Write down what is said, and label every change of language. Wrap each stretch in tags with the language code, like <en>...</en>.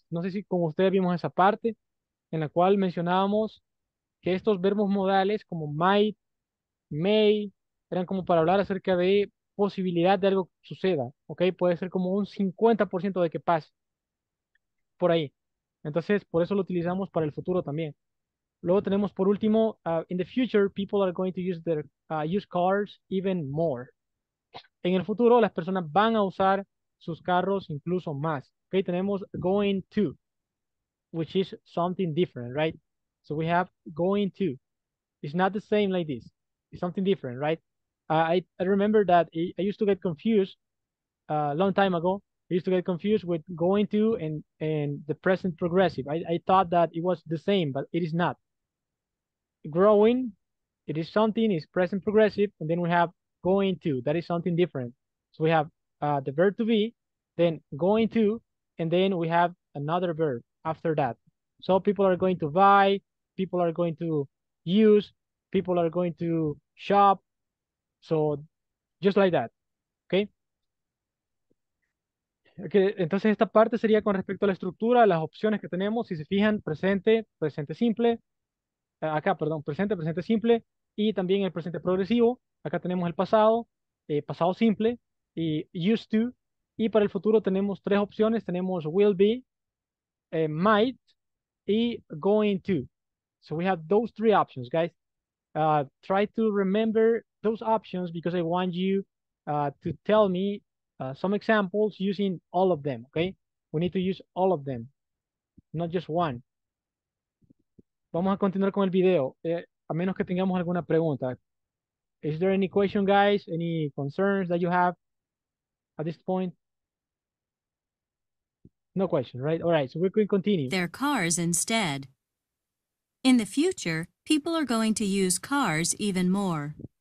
<es>No sé si con ustedes vimos esa parte en la cual mencionábamos que estos verbos modales como might, may, eran como para hablar acerca de posibilidad de algo que suceda, ¿ok? Puede ser como un 50% de que pase por ahí. Entonces, por eso lo utilizamos para el futuro también.</es> <en>Luego tenemos, por último, in the future, people are going to use their use cars even more.</en> <es>En el futuro, las personas van a usar sus carros incluso más. ¿Ok? Tenemos</es> <en>going to, which is something different, right? So we have going to. It's not the same like this. It's something different, right? I remember that I used to get confused a long time ago. I used to get confused with going to and the present progressive. I thought that it was the same, but it is not. Growing, it is something, is present progressive, and then we have going to. That is something different. So we have the verb to be, then going to, and then we have another verb after that. So people are going to buy, people are going to use, people are going to shop. So just like that. Okay.</en> <es>Okay, entonces esta parte sería con respecto a la estructura, las opciones que tenemos. Si se fijan, presente, presente simple. Acá, perdón, presente, presente simple. Y también el presente progresivo. Acá tenemos el pasado, pasado simple, y used to. Y para el futuro tenemos tres opciones. Tenemos will be, might, y going to.</es> <en>So we have those three options, guys. Try to remember those options because I want you to tell me some examples using all of them, okay? We need to use all of them, not just one.</en> <es>Vamos a continuar con el video, a menos que tengamos alguna pregunta.</es> <en>Is there any question, guys? Any concerns that you have at this point? No question, right? All right, so we're going to continue. Their cars instead. In the future, people are going to use cars even more.</en>